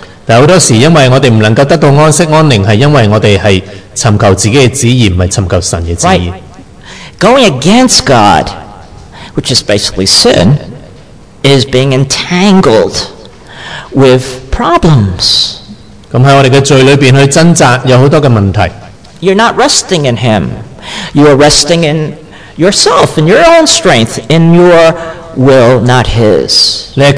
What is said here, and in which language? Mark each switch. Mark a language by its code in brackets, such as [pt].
[yue] 但好多時因為我哋唔能夠得到安息安寧，係因為我哋係尋求自己嘅旨意，唔係尋求神嘅旨意。 [en] Going against God, which is basically sin, is being entangled with problems. [yue] 咁喺我哋嘅罪裏邊去掙扎，有好多嘅問題。 [en] You're not resting in Him. You are resting in yourself, in your own strength, in your will, not His.